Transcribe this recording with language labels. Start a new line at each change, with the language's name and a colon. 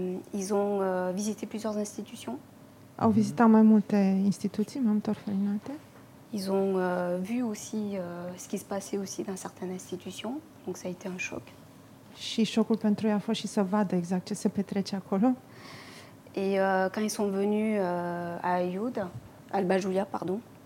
French: Ils ont visité plusieurs institutions.
Romanian: Au vizitat mai multe instituții, mai multe orfelinate.
French: Ils ont vu aussi ce qui se passait aussi dans certaines institutions, donc ça a été un choc.
Romanian: Și șocul pentru ei a fost și să vadă exact ce se petrece acolo.
French: Et quand ils sont venus à Ayoud, Alba Iulia, pardon.